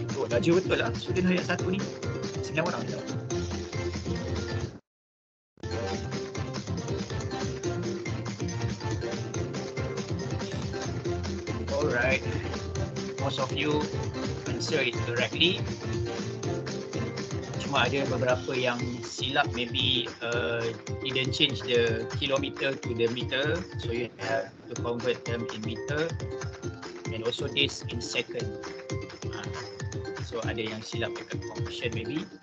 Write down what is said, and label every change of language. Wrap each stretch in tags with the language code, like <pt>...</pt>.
<ms>Laju betul lah. Sudin ayat satu ni. Senyap orang je.</ms> <en>Alright. Most of you answer it correctly.</en> <ms>Cuma ada beberapa yang silap.</ms> <en>Maybe didn't change the kilometer to the meter. So you have to convert them in meter. And also this in second. So</en> <ms>ada yang silap dekat</ms> <en>function maybe.</en>